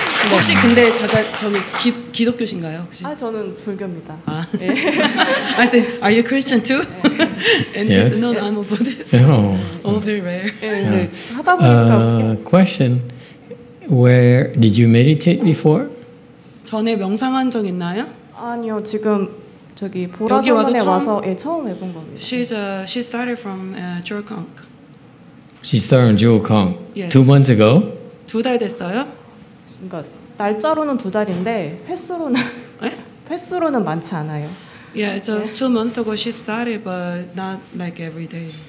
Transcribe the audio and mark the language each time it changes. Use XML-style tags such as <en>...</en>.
<ko>혹시 근데 잠깐 저기 기독교신가요 혹시? 아 저는 불교입니다.</ko> <en>아. 네. I said, are you Christian too? 네. And yes. No, I'm a Buddhist. No. All very rare. 네.</en> <ko>하다 보니까.</ko> <en>Question. Where did you meditate before?</en> <ko>전에 명상한 적 있나요? 아니요 지금 저기 보라선원에 와서 예 처음 해본 겁니다.</ko> <en>She started from Joel Conk. She started from Joel Conk. Yes. 2 months ago.</en> <ko>두 달 됐어요? 그러니까 날짜로는 두 달인데 횟수로는 횟수로는 많지 않아요.</ko> <en>Yeah, it's just 2 months ago she started, but not like every day.</en>